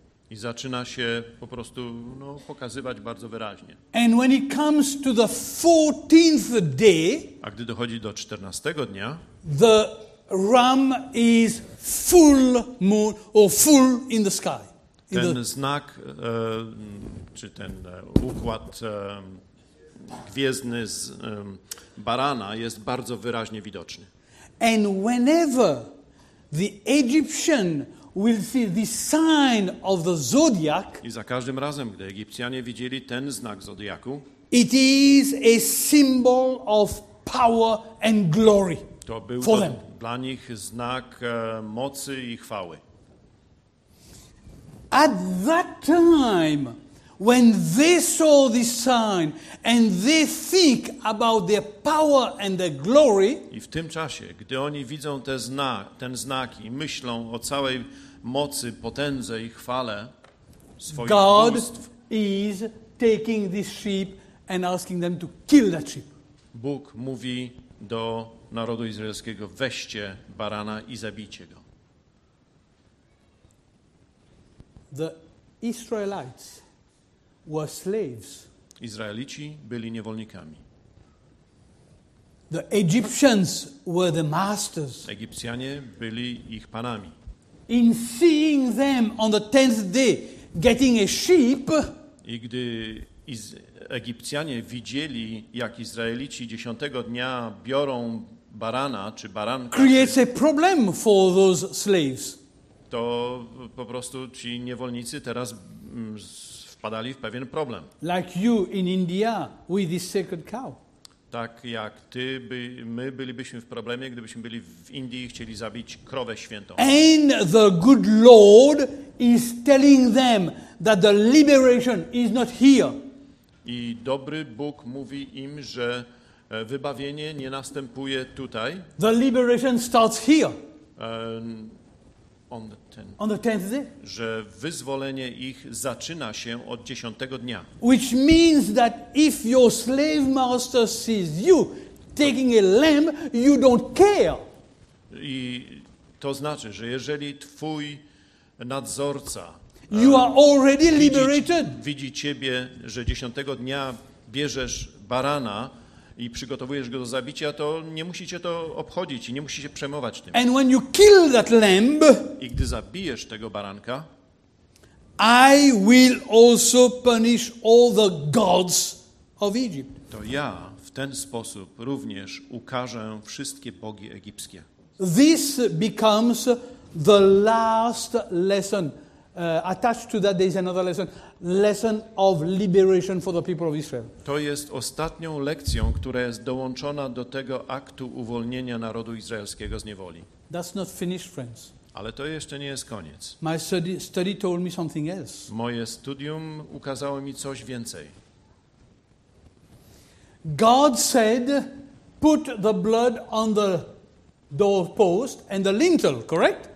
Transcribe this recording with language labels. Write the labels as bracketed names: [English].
[Polish] I zaczyna się po prostu pokazywać bardzo wyraźnie. [English] And when it comes to the 14th day, [Polish] a gdy dochodzi do 14 dnia, [English] the ram is full moon or full in the sky. [Polish] Ten znak, czy ten układ gwiezdny z barana jest bardzo wyraźnie widoczny. [English] And whenever the Egyptian will see the sign of the zodiac. [Polish] I za każdym razem, gdy Egipcjanie widzieli ten znak zodiaku, [English] it is a symbol of power and glory. [Polish] To był [English] for them. [Polish] Dla nich znak mocy i chwały. [English] At that time, when they saw this sign and they think about their power and their glory, [Polish] i w tym czasie, gdy oni widzą ten znak i myślą o całej mocy, potędze i chwale swoich [English] God [Polish] bóstw, [English] is taking this sheep and asking them to kill that sheep. [Polish] Bóg mówi do narodu izraelskiego: weźcie barana i zabijcie go. [English] The Israelites were slaves. [Polish] Izraelici byli niewolnikami. [English] The Egyptians were the masters. [Polish] Egipcjanie byli ich panami. [English] In seeing them on the 10th day getting a sheep, [Polish] i gdy Egipcjanie widzieli, jak Izraelici 10 dnia biorą barana czy baranka, [English] creates a problem for those slaves. [Polish] To po prostu ci niewolnicy teraz wpadali w pewien problem. [English] Like you in India with this sacred cow. [Polish] Tak jak my bylibyśmy w problemie, gdybyśmy byli w Indii i chcieli zabić krowę świętą. [English] And the good Lord is telling them that the liberation is not here. [Polish] I dobry Bóg mówi im, że wybawienie nie następuje tutaj. [English] The liberation starts here. On the tenth day. [Polish] Że wyzwolenie ich zaczyna się od 10 dnia. [English] Which means that if your slave master sees you taking a lamb, you don't care. [Polish] I to znaczy, że jeżeli twój nadzorca [English] you are already liberated. [Polish] Widzi ciebie, że 10 dnia bierzesz barana i przygotowujesz go do zabicia, to nie musi cię to obchodzić i nie musi się przejmować tym. [English] And when you kill that lamb, [Polish] i gdy zabijesz tego baranka, [English] I will also punish all the gods of Egypt. [Polish] To ja w ten sposób również ukarzę wszystkie bogi egipskie. [English] This becomes the last lesson Attached to that, there is another lesson. Lesson of liberation for the people of Israel. [Polish] To jest ostatnią lekcją, która jest dołączona do tego aktu uwolnienia narodu izraelskiego z niewoli. [English] That's not finished, friends. [Polish] Ale to jeszcze nie jest koniec. [English] My study told me something else. [Polish] Moje studium ukazało mi coś więcej. [English] God said, put the blood on the doorpost and the lintel, correct?